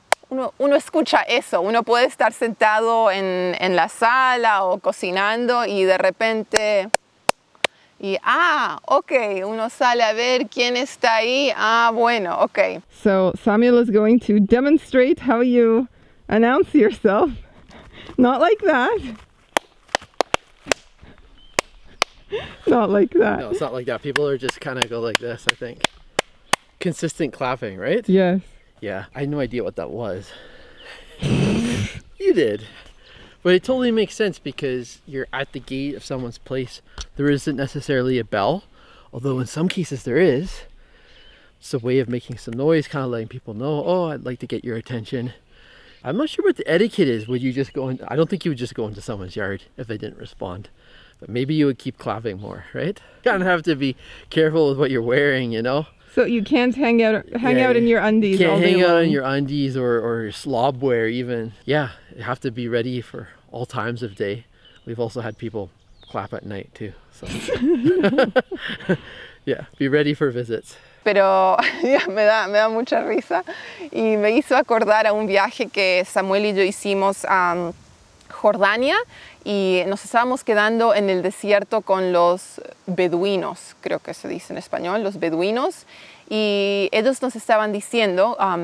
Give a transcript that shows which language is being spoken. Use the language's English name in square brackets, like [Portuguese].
[Spanish] uno escucha eso, uno puede estar sentado en la sala o cocinando y de repente, y ok, uno sale a ver quién está ahí, bueno, ok. [English] So Samuel is going to demonstrate how you announce yourself, not like that. Not like that. No, it's not like that, people are just kind of go like this, I think. Consistent clapping, right? Yes. Yeah, I had no idea what that was. You did. But it totally makes sense because you're at the gate of someone's place. There isn't necessarily a bell, although in some cases there is. It's a way of making some noise, kind of letting people know, oh, I'd like to get your attention. I'm not sure what the etiquette is. Would you just go in? I don't think you would just go into someone's yard if they didn't respond. But maybe you would keep clapping more, right? Kind of have to be careful with what you're wearing, you know? So you can't hang out in your undies all day long. Can't hang out in your undies or slob wear even. Yeah, you have to be ready for all times of day. We've also had people clap at night too. So yeah, be ready for visits. [Spanish] Pero ya, me da mucha risa y me hizo acordar a un viaje que Samuel y yo hicimos a Jordania y nos estábamos quedando en el desierto con los beduinos, creo que se dice en español, los beduinos, y ellos nos estaban diciendo,